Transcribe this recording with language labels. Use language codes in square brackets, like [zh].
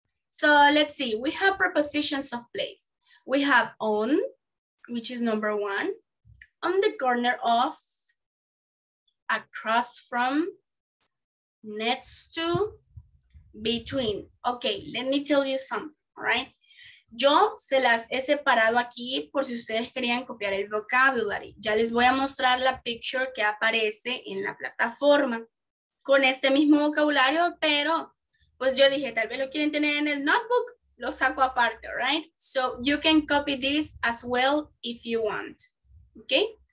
[en] So let's see, we have prepositions of place. We have on, which is number one, on the corner of, across from, next to, between. Okay, let me tell you something, all right? [es] Yo se las he separado aquí por si ustedes querían copiar el vocabulary. Ya les voy a mostrar la picture que aparece en la plataforma con este mismo vocabulario, pero pues yo dije, tal vez lo quieren tener en el notebook, lo saco aparte, all right? [en] So you can copy this as well if you want, okay?